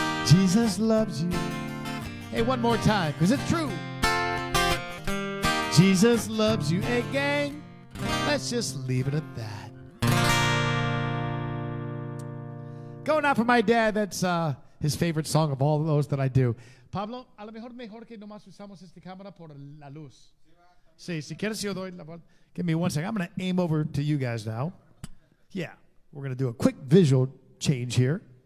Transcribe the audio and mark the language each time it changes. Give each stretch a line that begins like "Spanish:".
English: Jesus loves you. Hey, one more time, because it's true. Jesus loves you. Hey, gang, let's just leave it at that. Going out for my dad, that's his favorite song of all those that I do.
Spanish: Pablo, a lo mejor mejor que nomás usamos esta cámara por la luz. Sí, si quieres yo doy la voz.
English: Give me one second. I'm going to aim over to you guys now. Yeah, we're going to do a quick visual change here.